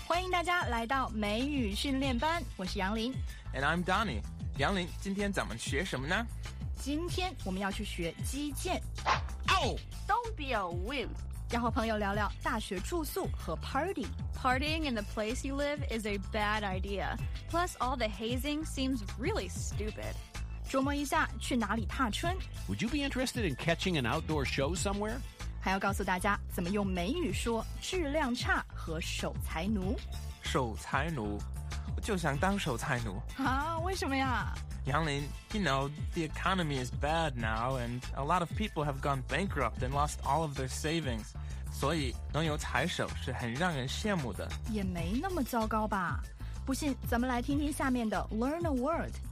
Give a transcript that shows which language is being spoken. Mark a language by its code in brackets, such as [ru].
[zh] 大家来到美语训练班，我是杨林。 [en] And I'm Donnie。 [zh] 杨林，今天咱们学什么呢？今天我们要去学击剑。 [en] Ow! Don't be a wimp。 [zh] 要和朋友聊聊大学住宿和 party。 [en] Partying in the place you live is a bad idea. Plus all the hazing seems really stupid。 [zh] 琢磨一下去哪里踏春。 [en] Would you be interested in catching an outdoor show somewhere? [zh] 还要告诉大家怎么用美语说质量差和守财奴。守财奴，我就想当守财奴。啊，为什么呀？ [en] 杨林， you know, the economy is bad now, and a lot of people have gone bankrupt and lost all of their savings. [zh] 所以能有财手是很让人羡慕的。也没那么糟糕吧。不信咱们来听听下面的 Learn a Word。